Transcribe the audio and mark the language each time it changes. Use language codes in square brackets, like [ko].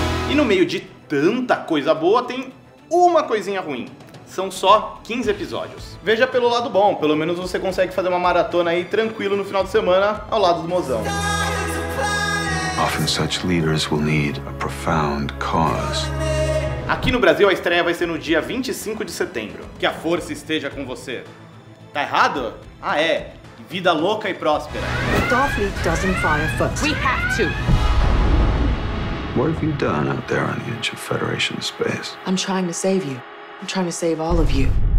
[pt] E no meio de tanta coisa boa, tem uma coisinha ruim. São só 15 episódios. Veja pelo lado bom, pelo menos você consegue fazer uma maratona aí tranquilo no final de semana ao lado do mozão. [en] Often such leaders will need a profound cause. [pt] Aqui no Brasil a estreia vai ser no dia 25 de setembro. Que a força esteja com você. Tá errado? Ah, é. Vida louca e próspera. [en] Starfleet doesn't fire first. We have to. What have you done out there on the edge of Federation space? I'm trying to save you. I'm trying to save all of you.